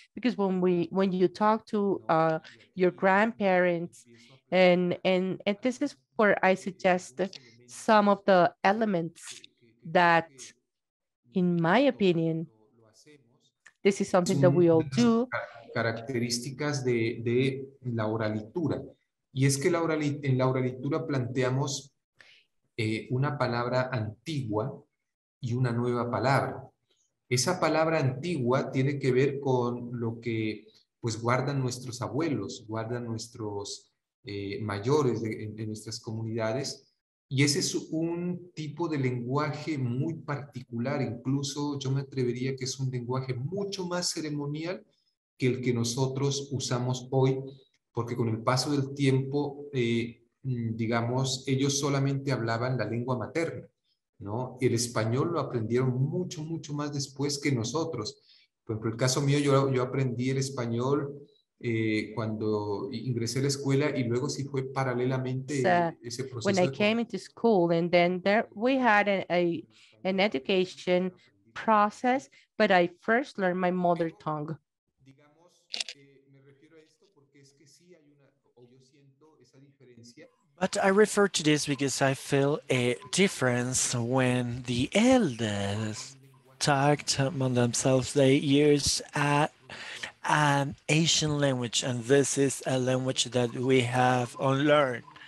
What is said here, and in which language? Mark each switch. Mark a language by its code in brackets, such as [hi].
[en] Because when you talk to your grandparents, and this is where I suggest some of the elements that, in my opinion, this is something that we all do. [es] Características de la oralitura. Y es que en la oralitura planteamos una palabra antigua y una nueva palabra. Esa palabra antigua tiene que ver con lo que pues guardan nuestros abuelos, guardan nuestros mayores de nuestras comunidades. Y ese es un tipo de lenguaje muy particular, incluso yo me atrevería que es un lenguaje mucho más ceremonial que el que nosotros usamos hoy, porque con el paso del tiempo, digamos, ellos solamente hablaban la lengua materna, ¿no? Y el español lo aprendieron mucho, mucho más después que nosotros. Por ejemplo, el caso mío, yo aprendí el español cuando ingresé a la escuela y luego sí fue paralelamente ese proceso. [en] When I came into school and then there we had an education process, but I first learned my mother tongue. [es] Digamos, me refiero a esto porque es que sí hay una, o yo siento esa diferencia. [en] But I refer to this because I feel a difference when the elders talked among themselves. They used an Asian language, and this is a language that we have unlearned.